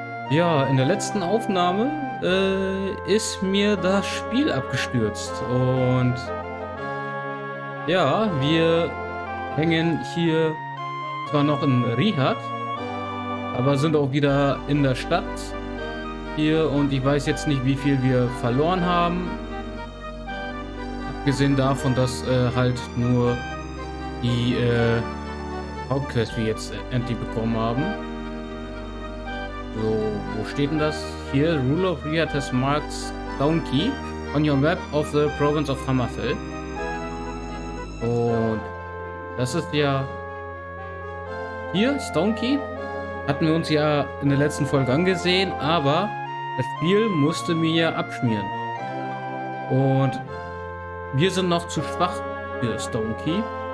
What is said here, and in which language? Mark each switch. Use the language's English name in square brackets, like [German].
[German] Ja, in der letzten Aufnahme ist mir das Spiel abgestürzt und ja, wir hängen hier zwar noch in Rihad, aber sind auch wieder in der Stadt hier und ich weiß jetzt nicht, wie viel wir verloren haben. Abgesehen davon, dass halt nur die Hauptquest wir jetzt endlich bekommen haben. So, wo steht denn das? [English] Hier, Rule of Rihad has marked Donkey on your map of the province of Hammerfell. [German] Und das ist ja hier, Stonekeep, hatten wir uns ja in der letzten Folge angesehen, aber das Spiel musste mir ja abschmieren. Und wir sind noch zu schwach für Stonekeep.